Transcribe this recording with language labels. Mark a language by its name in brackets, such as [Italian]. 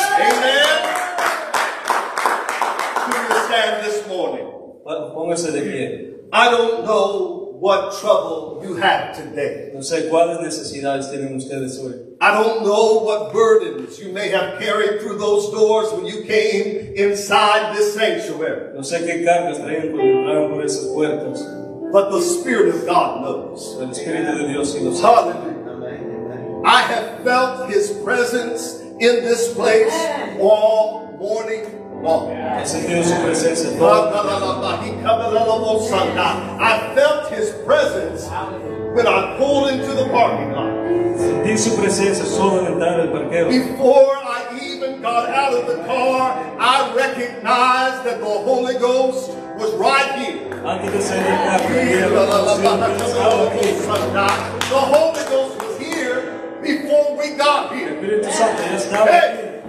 [English] Amen. Can you stand this morning? [Spanish] Póngase de pie. [English] I don't know what trouble you have today. [Spanish] No sé cuáles necesidades tienen ustedes hoy. [English] I don't know what burdens you may have carried through those doors when you came inside this sanctuary. [Spanish] No sé qué cargas traían cuando entraron por esas puertas. [English] But the Spirit of God knows. [Spanish] El Espíritu de Dios sí lo sabe. [English] Hallelujah. I have felt His presence in this place all morning long. I felt His presence when I pulled into the parking lot. [Spanish] Sentí su presencia solo en entrar al parqueo. [English] Before I even got out of the car, I recognized that the Holy Ghost was right here. [Spanish] Antes de salir del parqueo, [English] the Holy Ghost was here before we got here. [Spanish] Espíritu Santo ya estaba aquí.